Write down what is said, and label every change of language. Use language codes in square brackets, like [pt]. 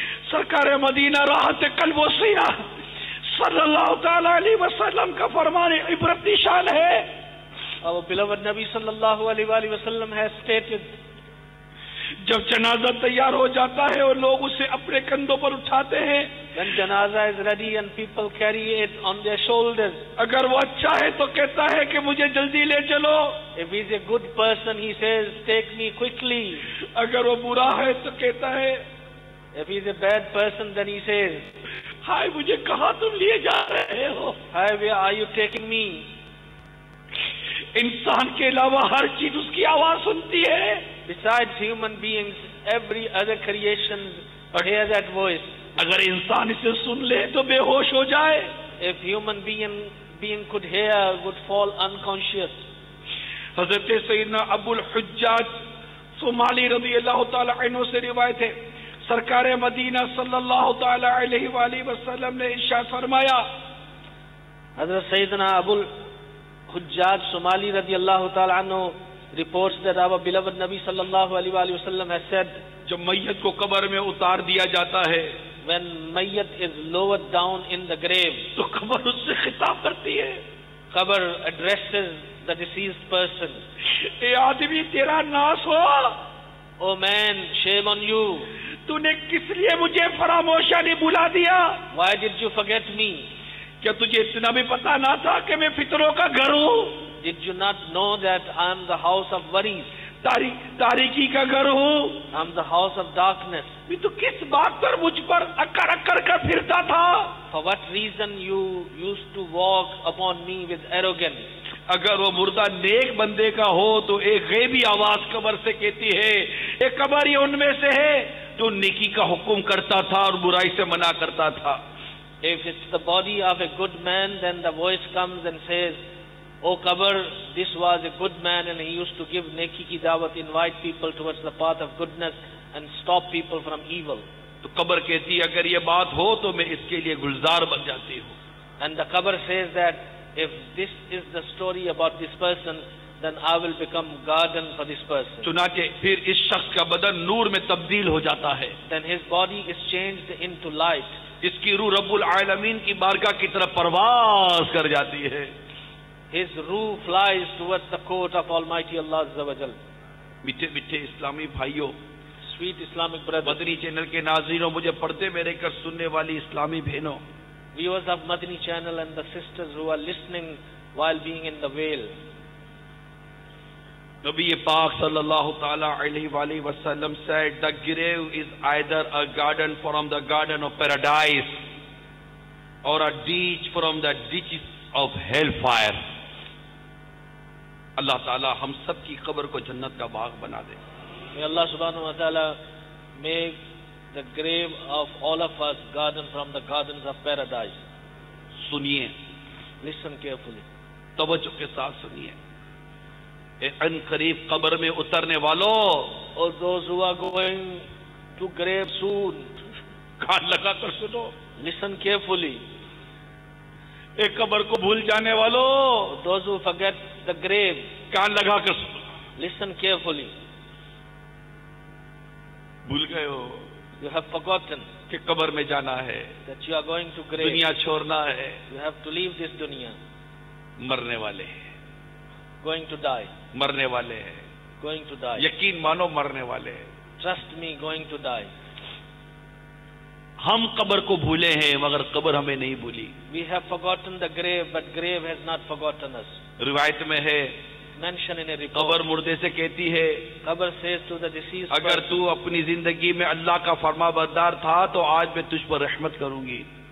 [ur] سرکار مدینہ راحت قلب و سینہ صلی اللہ تعالی علیہ وسلم کا فرمان عبرت نشان ہے. [en] Our beloved نبی صلی اللہ علیہ وآلہ وسلم has stated, [ur] جب جنازہ تیار ہو جاتا ہے اور لوگ اسے اپنے کندھوں پر اٹھاتے ہیں. [en] When جنازہ is ready and people carry it on their shoulders. [ur] اگر وہ اچھا ہے تو کہتا ہے کہ مجھے جلدی لے چلو. [en] If he's a good person, he says, take me quickly. [ur] اگر وہ برا ہے تو کہتا ہے. [en] If he's a bad person, then he says, [ur] ہائے مجھے کہاں تم لیے جا رہے ہو؟ [en] Hi, where are you taking me? [ur] انسان کے علاوہ ہر چیز اس کی آواز سنتی ہے. [en] Besides human beings, every other creation hears that voice. [ur] اگر انسان اسے سن لے تو بے ہوش ہو جائے. [en] If human being could hear, would fall unconscious. [ur] حضرت سیدنا ابو الحجاج صومالی رضی اللہ تعالی عنہ سے روایت ہے, سرکار مدینہ صلی اللہ تعالی علیہ وآلہ وسلم نے ارشاد فرمایا. [en] حضرت سیدنا ابو الحجاج صومالی رضی اللہ تعالی عنہ reports that our beloved نبی صلی اللہ علیہ وآلہ وسلم has said, [ur] جب میت کو قبر میں اتار دیا جاتا ہے, [en] when میت is lowered down in the grave, [ur] تو قبر اس سے خطاب کرتی ہے. [en] قبر addresses the deceased person. [ur] اے آدمی تیرا ناس ہو. [en] O man shame on you. [ur] تو نے کس لیے مجھے فراموشا نہیں بلا دیا؟ [en] Why did you forget me? [ur] کیا تجھے اتنا بھی پتا نہ تھا کہ میں فتنوں کا گھر ہوں؟ [en] Did you not know that I am the house of worries? [ur] تاریکی کا گھر ہوں. [en] I am the house of darkness. [ur] تو کس بات پر مجھ پر اکڑ اکڑ کر پھرتا تھا؟ [en] For what reason you used to walk upon me with arrogance? [ur] اگر وہ مردہ نیک بندے کا ہو تو ایک غیبی آواز قبر سے کہتی ہے, ایک قبر ہی ان میں سے ہے جو نیکی کا حکم کرتا تھا اور برائی سے منع کرتا تھا. [en] If it's the body of a good man, then the voice comes and says, O قبر, this was a good man and he used to give [ur] نیکی کی دعوت, [en] invite people towards the path of goodness and stop people from evil. [ur] تو قبر کہتی اگر یہ بات ہو تو میں اس کے لیے گلزار بن جاتی ہوں. [en] And the قبر says that if this is the story about this person, then I will become garden for this person. [ur] چنانچہ پھر اس شخص کا بدن نور میں تبدیل ہو جاتا ہے. [en] Then his body is changed into light. [ur] اس کی روح رب العالمین کی بارگاہ کی طرف پرواز کر جاتی ہے. [en] His روح flies towards the court of Almighty Allah عز و جل. [ur] میٹھے میٹھے اسلامی بھائیو, [en] sweet Islamic brother, [ur] مدنی چینل کے ناظرینوں, مجھے پڑھتے میرے کر سننے والی اسلامی بہنوں, [en] viewers of Madni channel and the sisters who are listening while being in the veil, نبی پاک صلی اللہ تعالی علیہ وآلہ وسلم said the grave is either a garden from the garden of paradise or a ditch from the ditches of hellfire. [ur] اللہ تعالی ہم سب کی قبر کو جنت کا باغ بنا دے. [en] May Allah subhanahu wa ta'ala make the grave of all of us garden from the gardens of paradise. [ur] سنیے, [en] listen carefully, [ur] توجہ کے ساتھ سنیے. اے ان قریب قبر میں اترنے والوں, [en] اور those who are going to grave soon, [ur] کان لگا کر سنو, [en] listen carefully. [ur] اے قبر کو بھول جانے والوں, [en] those who forget the grave, [ur] کان لگا کر سنو, [en] listen carefully. [ur] بھول گئے ہو, [en] you have forgotten, [ur] کہ قبر میں جانا ہے, [en] that you are going to grave, [ur] دنیا چھوڑنا ہے, [en] you have to leave this dunya, [ur] مرنے والے ہیں, [en] going to die, [ur] مرنے والے ہیں, [en] going to die, [ur] یقین مانو مرنے والے ہیں, [en] trust me, going to die. [ur] ہم قبر کو بھولے ہیں مگر قبر ہمیں نہیں بھولی. [en] We have forgotten the grave but grave has not forgotten us. [ur] روایت میں ہے, [en] mention in a report, [ur] قبر مردے سے کہتی ہے, [en] قبر says to the deceased, [ur] اگر تو اپنی زندگی میں اللہ کا فرما بردار تھا تو آج میں تجھ پر رحمت کروں گی.